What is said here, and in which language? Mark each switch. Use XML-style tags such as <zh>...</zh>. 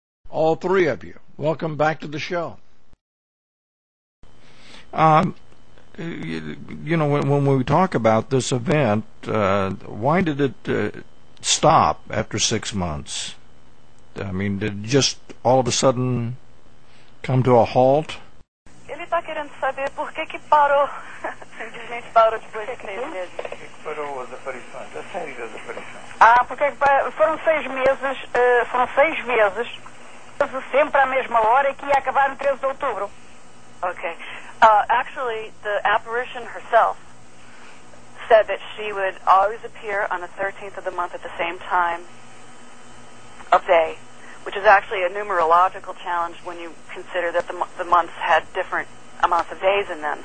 <en>All three of you, welcome back to the show. When we talk about this event, why did it stop after 6 months? I mean, did it just all of a sudden come to a halt?</en> <pt>Ele está querendo saber por que que parou. Simplesmente parou depois de 6 meses. Parou as aparições. Ah, porque foram 6 meses, foram 6 meses, sempre à mesma hora, que ia acabar no 13 de outubro.</pt> <en>Ok. Actually, the apparition herself said that she would always appear on the 13th of the month at the same time of day, which is actually a numerological challenge when you consider that the months had different amounts of days in them.</en>